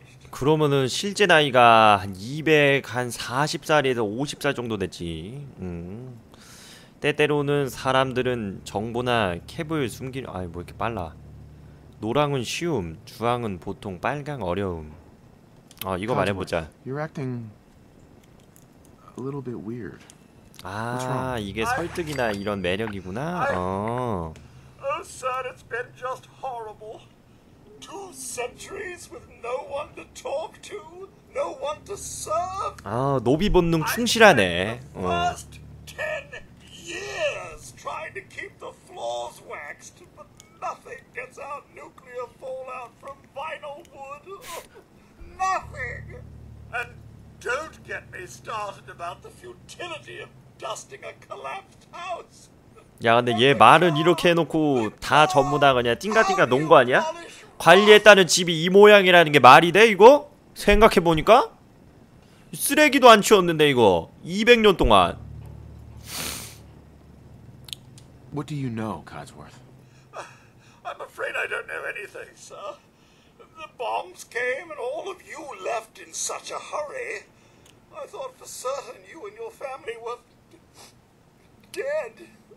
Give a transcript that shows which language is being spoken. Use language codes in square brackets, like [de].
[ko] 그러면은 실제 나이가 한 240살에서 50살 정도 됐지. 때때로는 사람들은 정보나 캡을 숨길 아니 뭐 이렇게 빨라. 노랑은 쉬움, 주황은 보통, 빨강 어려움. 아, 이거 말해 보자. [en] You're acting a little bit weird. [ko] 아, 이게 설득이나 이런 매력이구나. 어. [en] Oh, sir, it's been just horrible. Two centuries with no one to talk to, no one to serve. [ko] 아, 노비 본능 충실하네. [en] 10 years trying to keep the floors waxed, but nothing gets out nuclear fallout from vinyl wood. Nothing. And don't get me started about the futility of dusting a collapsed house. [ko] 야, 근데 얘 말은 이렇게 해놓고 다 전부 다 그냥 띵가띵가 논 거 아니야? 관리했다는 집이 이 모양이라는 게 말이 돼, 이거? 생각해보니까? 쓰레기도 안 치웠는데, 이거. 200년 동안. [en] What do you know, Codsworth? I'm afraid I don't know anything, sir. The bombs came and all of you left in such a hurry. I thought for certain you and your family were dead.